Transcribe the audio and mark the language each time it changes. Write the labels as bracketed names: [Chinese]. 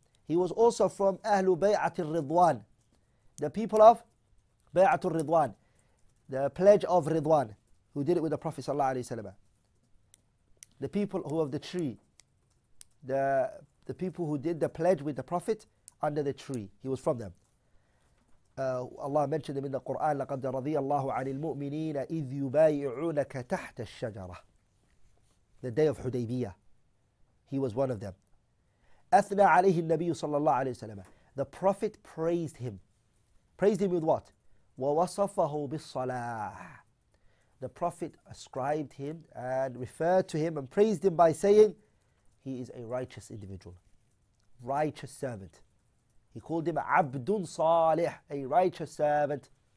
[English] He was also from [Arabic] أهل بيعة الرضوان. [English] The people of [Arabic] بيعة الرضوان. [English] The pledge of رضوان. Who did it with the Prophet [Arabic] صلى الله عليه وسلم. [English] The people who of the tree. The people who did the pledge with the Prophet under the tree. He was from them. Allah mentioned them in the Quran. [Arabic] لقد رضي الله عن المؤمنين إذ يبايعونك تحت الشجرة. [English] The day of Hudaybiyah. He was one of them. [Arabic] أثنى عليه النبي صلى الله عليه وسلم. [English] The Prophet praised him. Praised him with what? [Arabic] ووصفه بالصلاح. [English] The Prophet ascribed him and referred to him and praised him by saying, he is a righteous individual, righteous servant. He called him [Arabic] عبد صالح, [English] a righteous servant.